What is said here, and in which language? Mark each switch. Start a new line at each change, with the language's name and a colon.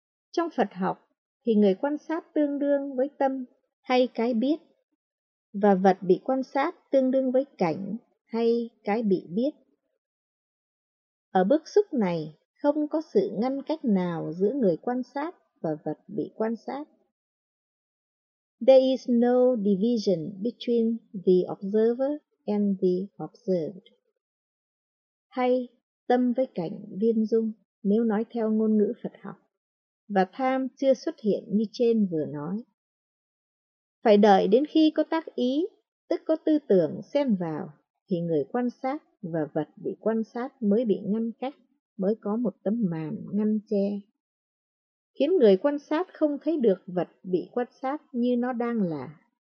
Vietnamese: Trong Phật học thì người quan sát tương đương với tâm hay cái biết, và vật bị quan sát tương đương với cảnh hay cái bị biết. Ở bước xúc này, không có sự ngăn cách nào giữa người quan sát và vật bị quan sát.
English: There is no division between the observer and the observed.
Vietnamese: Hay tâm với cảnh viên dung nếu nói theo ngôn ngữ Phật học, và tham chưa xuất hiện như trên vừa nói. Phải đợi đến khi có tác ý, tức có tư tưởng xen vào, thì người quan sát và vật bị quan sát mới bị ngăn cách, mới có một tấm màn ngăn che, khiến người quan sát không thấy được vật bị quan sát như nó đang là.